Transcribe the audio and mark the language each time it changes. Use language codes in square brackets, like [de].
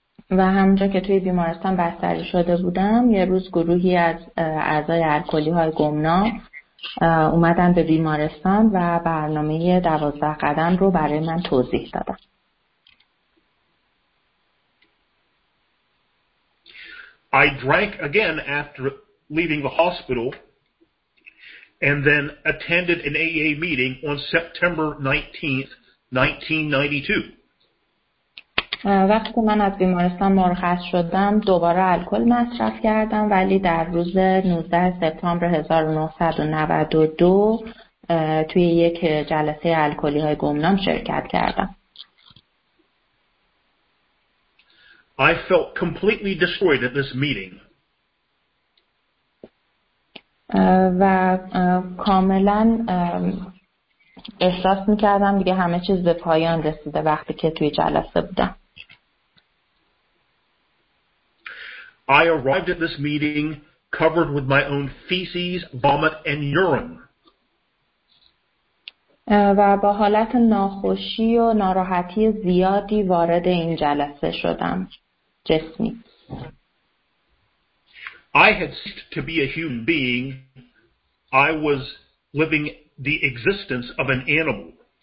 [fa] و همونجا که توی بیمارستان بستری شده بودم یه روز گروهی از اعضای الکلی های گمنا اومدن به بیمارستان و برنامه 12 قدم رو برای من توضیح دادن. [en] I drank again after leaving the hospital and then attended an AA meeting on September 19th, 1992. [fa] وقتی من از بیمارستان مرخص شدم دوباره الکل مصرف کردم ولی در روز 19 سپتامبر 1992 توی یک جلسه الکلی های گمنام شرکت کردم. [en] I felt completely destroyed at this meeting. [fa] و کاملا احساس میکردم دیگه همه چیز به پایان رسیده وقتی که توی جلسه بودم. [en] I arrived at this meeting covered with my own feces, vomit, and urine. [fa] و با حالت ناخوشی و ناراحتی زیادی وارد این جلسه شدم. جسمی. [en] I had ceased to be a human being. I was living the existence of an animal.